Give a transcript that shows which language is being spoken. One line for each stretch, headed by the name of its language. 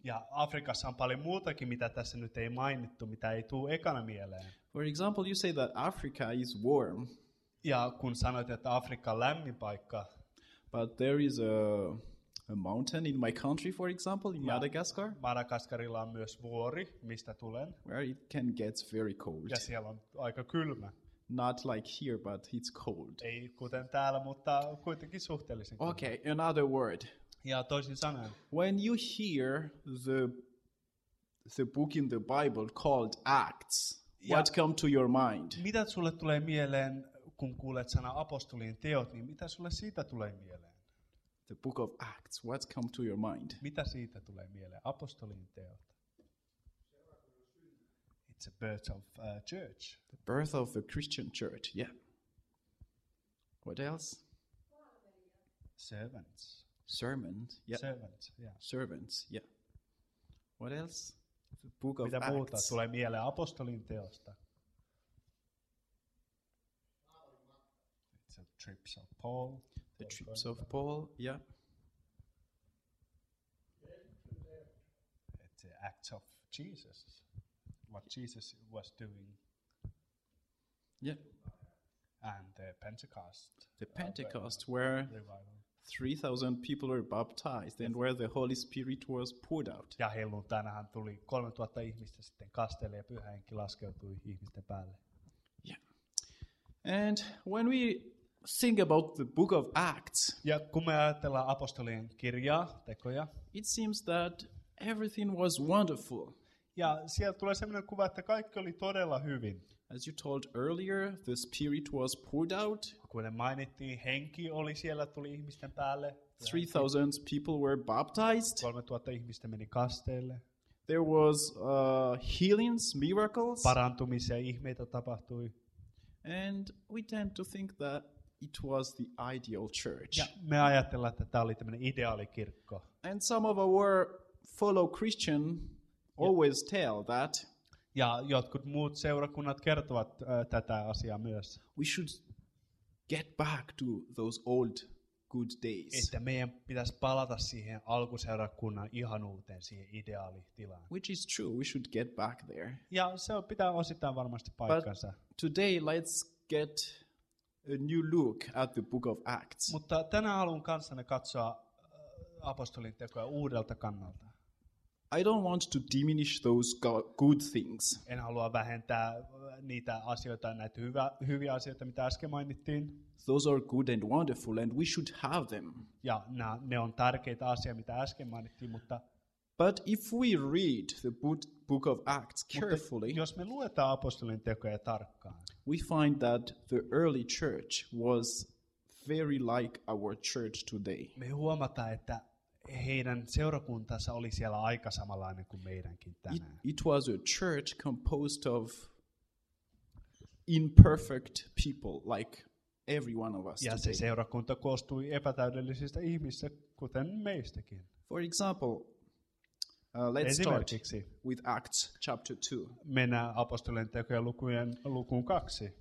Finnish: Ja Afrikassa on paljon muutakin, mitä tässä nyt ei mainittu, mitä ei tule ekana mieleen.
English: For example, you say that Africa is warm.
Finnish: Ja kun sanoit, että Afrikka on lämmin paikka.
English: But there is a mountain in my country, for example, in Madagascar.
Finnish: Madagaskarilla on myös vuori, mistä tulen.
English: Where it can get very cold.
Finnish: Ja siellä on aika kylmä.
English: Not like here, but it's cold.
Finnish: Ei kuten täällä, mutta kuitenkin suhteellisen kylmä.
English: Okay, another word.
Finnish: Ja toisin sanoen.
English: When you hear the book in the Bible called Acts, what come to your mind?
Finnish: Mitä sulle tulee mieleen, kun kuulet sana apostolien teot, niin mitä sulle siitä tulee mieleen?
English: The book of Acts, what come to your mind?
Finnish: Mitä siitä tulee mieleen, apostolien teot?
English: It's a birth of a church. The birth of a Christian church, yeah. What else? Servants. Sermons, yeah. Servants, yeah. Servants, yeah. What else? The book of
Finnish: mitä muuta
English: Acts.
Finnish: Tulee mieleen apostolin teosta?
English: It's a trips of Paul. The trips of Paul, yeah. It's the acts of Jesus. What Jesus was doing. Yeah. And the Pentecost. The Pentecost, where revival. 3,000 people were baptized and where the Holy Spirit was poured out.
Finnish: Ja helluntainahan tuli 3,000 ihmistä sitten kasteelle ja pyhä henki laskeutui ihmisten päälle.
English: Yeah. And when we think about the book of Acts,
Finnish: ja kun me ajatellaan apostolien kirjaa, tekoja,
English: it seems that everything was wonderful.
Finnish: Ja sieltä tulee semmoinen kuva, että kaikki oli todella hyvin.
English: As you told earlier, the spirit was poured out.
Finnish: Kuten mainittiin, henki oli siellä, tuli ihmisten päälle.
English: 3,000 people were baptized.
Finnish: 3,000 ihmistä meni kasteelle.
English: There was healings, miracles.
Finnish: Parantumisia, ihmeitä tapahtui.
English: And we tend to think that it was the ideal church.
Finnish: Ja me ajatellaan, että tämä oli tämmöinen ideaalikirkko.
English: And some of our fellow Christian always tell that.
Finnish: Ja jotkut muut seurakunnat kertovat tätä asiaa myös.
English: We should get back to those old good days.
Finnish: Että meidän pitäisi palata siihen alkuseurakunnan ihanuuteen, siihen ideaalitilaan.
English: Which is true, we should get back there.
Finnish: Ja se pitää osittain varmasti paikkansa.
English: But today let's get a new look at the book of Acts.
Finnish: Mutta tänään haluan kanssanne katsoa apostolin tekoja uudelta kannalta.
English: I don't want to diminish those good things.
Finnish: En halua vähentää niitä asioita, näitä hyviä asioita, mitä äsken mainittiin.
English: Those are good and wonderful, and we should have them.
Finnish: Ja ne on tärkeitä asioita, mitä äsken mainittiin, mutta.
English: But if we read the book of Acts carefully,
Finnish: jos me luetaan apostolin tekoja tarkkaan,
English: we find that the early church was very like our church today.
Finnish: Me huomataan, että heidän seurakuntansa oli siellä aika samanlainen kuin meidänkin tänään.
English: It was a church composed of imperfect people, like every one of us.
Finnish: Ja
English: today.
Finnish: Se seurakunta koostui epätäydellisistä ihmisistä, kuten meistäkin.
English: For example, let's start with Acts chapter 2.
Finnish: Mennään apostolien tekojen lukuun 2.